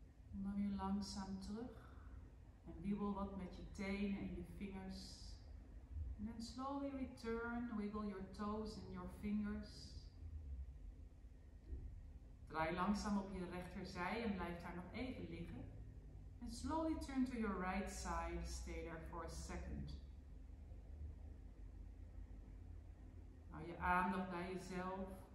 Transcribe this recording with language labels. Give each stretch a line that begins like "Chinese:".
Dutch: Kom nu langzaam terug en wiebel wat met je tenen en je vingers.
English: And then slowly return, wiggle your toes and your fingers.
Dutch: Draai langzaam op je rechterzij en blijf daar nog even liggen.
English: And slowly turn to your right side, stay there for a second.
Dutch: Hou je aandacht bij jezelf.